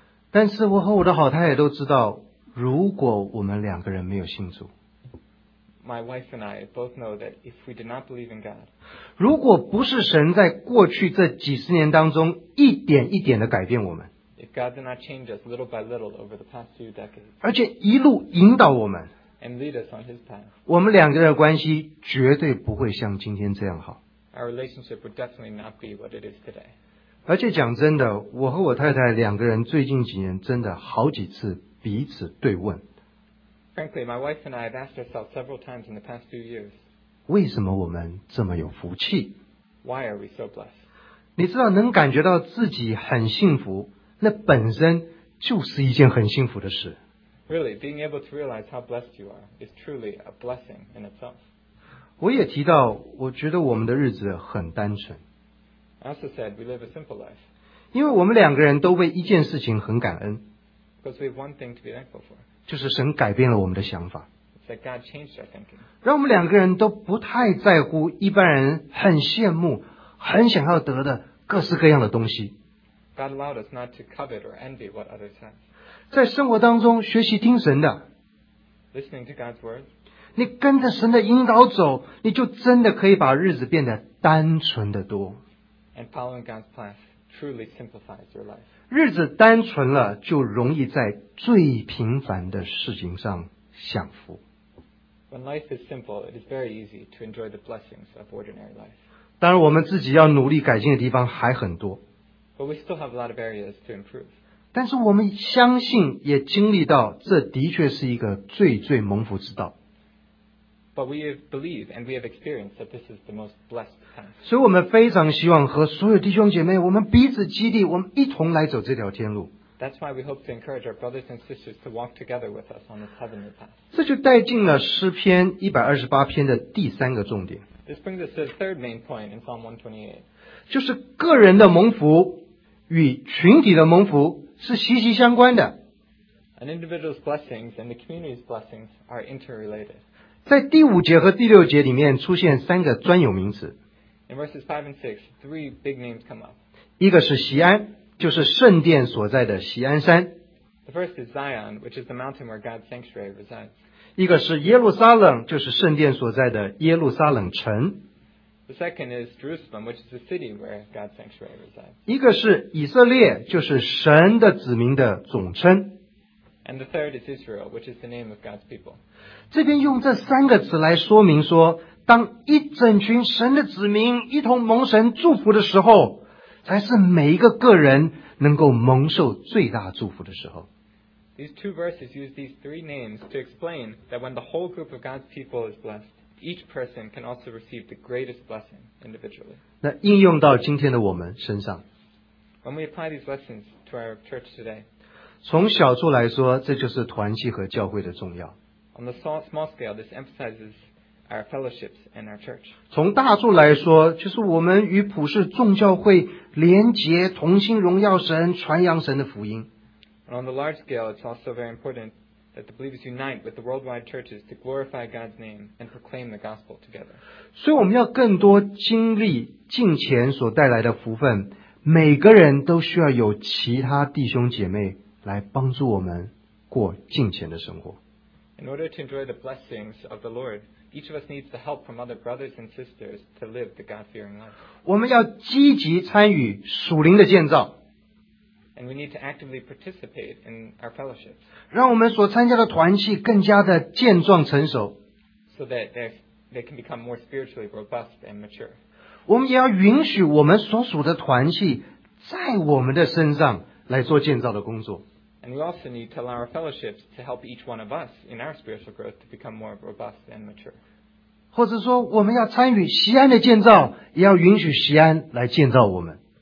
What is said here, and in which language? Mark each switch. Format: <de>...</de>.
<zh>但是我和我的好太太都知道，如果我们两个人没有信主</zh> <en>，My wife and I both know that if we did not believe in God,</en> <zh>如果不是神在过去这几十年当中一点一点的改变我们。</zh> <en>If God did not change us little by little over the past few decades,</en> <zh>而且一路引导我们</zh> <en>and lead us on His path,</en> <zh>我们两个人的关系绝对不会像今天这样好。</zh> <en>Our relationship would definitely not be what it is today.</en> <zh>而且讲真的，我和我太太两个人最近几年真的好几次彼此对问。</zh> <en>Frankly, my wife and I have asked ourselves several times in the past few years,</en> <zh>为什么我们这么有福气？</zh> <en>Why are we so blessed?</en> <zh>你知道，能感觉到自己很幸福，那本身就是一件很幸福的事。</zh> <en>Really, being able to realize how blessed you are is truly a blessing in itself.</en> <zh>我也提到，我觉得我们的日子很单纯。</zh> <en>I also said we live a simple life.</en> <zh>因为我们两个人都为一件事情很感恩。</zh> <en>Because we have one thing to be thankful for.</en> <zh>就是神改变了我们的想法。</zh> <en>It's that God changed our thinking.</en> <zh>让我们两个人都不太在乎一般人很羡慕、很想要得的各式各样的东西。</zh> <en>God allowed us not to covet or envy what others have.</en> <zh>在生活当中学习听神的。</zh> <en>Listening to God's word.</en> <zh>你跟着神的引导走，你就真的可以把日子变得单纯的多。</zh> <en>And following God's path truly simplifies your life.</en> <zh>日子单纯了，就容易在最平凡的事情上享福。</zh> <en>When life is simple, it is very easy to enjoy the blessings of ordinary life.</en> <zh>当然我们自己要努力改进的地方还很多。</zh> <en>But we still have a lot of areas to improve.</en> <zh>但是我们相信也经历到，这的确是一个最最蒙福之道。</zh> <en>But we believe and we have experienced that this is the most blessed path.</en> <zh>所以我们非常希望和所有弟兄姐妹，我们彼此激励，我们一同来走这条天路。</zh> <en>That's why we hope to encourage our brothers and sisters to walk together with us on this heavenly path.</en> <zh>这就带进了诗篇128篇的第三个重点。</zh> <en>This brings us to the third main point in Psalm 128.</en> <zh>就是个人的蒙福与群体的蒙福是息息相关的。</zh> <en>An individual's blessings and the community's blessings are interrelated.</en> <zh>在第五节和第六节里面出现三个专有名词。</zh> <en>In verses 5 and 6, three big names come up.</en> <zh>一个是锡安，就是圣殿所在的锡安山。</zh> <en>The first is Zion, which is the mountain where God's sanctuary resides.</en> <zh>一个是耶路撒冷，就是圣殿所在的耶路撒冷城。</zh> <en>The second is Jerusalem, which is the city where God's sanctuary resides.</en> <zh>一个是以色列，就是神的子民的总称。</zh> <en>And the third is Israel, which is the name of God's people.</en> <zh>这边用这三个词来说明说，当一整群神的子民一同蒙神祝福的时候，才是每一个个人能够蒙受最大祝福的时候。</zh> <en>These two verses use these three names to explain that when the whole group of God's people is blessed, each person can also receive the greatest blessing individually.</en> <zh>那应用到今天的我们身上。</zh> <en>When we apply these lessons to our church today,</en> <zh>从小处来说，这就是团契和教会的重要。</zh> <en>On the small scale, this emphasizes our fellowships and our church.</en> <zh>从大处来说，就是我们与普世众教会连结，同心荣耀神，传扬神的福音。</zh> <en>And on the large scale, it's also very important that the believers unite with the worldwide churches to glorify God's name and proclaim the gospel together.</en> <zh>所以我们要更多经历敬虔所带来的福分，每个人都需要有其他弟兄姐妹来帮助我们过敬虔的生活。</zh> <en>In order to enjoy the blessings of the Lord, each of us needs the help from other brothers and sisters to live the God-fearing life.</en> <zh>我们要积极参与属灵的建造。</zh> <en>And we need to actively participate in our fellowships.</en> <zh>让我们所参加的团契更加的健壮成熟。</zh> <en>So that they can become more spiritually robust and mature.</en> <zh>我们也要允许我们所属的团契在我们的身上来做建造的工作。</zh> <en>And we also need to allow our fellowships to help each one of us in our spiritual growth to become more robust and mature.</en> <zh>或者说我们要参与锡安的建造，也要允许锡安来建造我们。</zh>